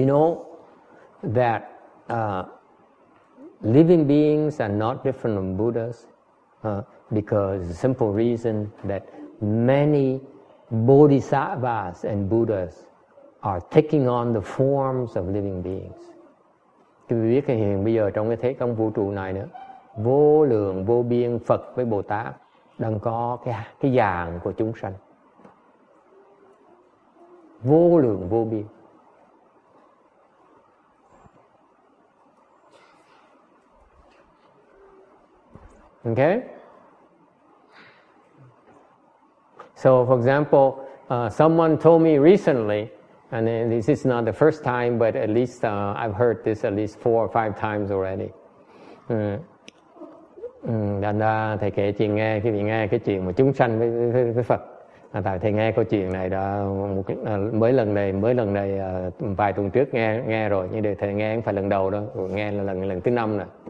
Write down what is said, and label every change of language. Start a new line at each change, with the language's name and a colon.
English: You know that living beings are not different from Buddhas because the simple reason that many bodhisattvas and Buddhas are taking on the forms of living beings.
Vietnamese: Quý vị biết hiện bây giờ trong cái thế công vũ trụ này nữa, vô lượng vô biên Phật với Bồ Tát đang có cái dạng của chúng sanh. Vô lượng vô biên.
English: Okay? So, for example, someone told me recently, and this is not the first time, but at least I've heard this at least four or five times already.
Vietnamese: Đàn đa, thầy kể chuyện nghe, quý vị nghe cái chuyện mà chúng sanh với Phật. Tại thầy nghe câu chuyện này đã mới lần này vài tuần trước nghe rồi, nhưng để thầy nghe không phải lần đầu đâu, nghe là lần thứ năm rồi.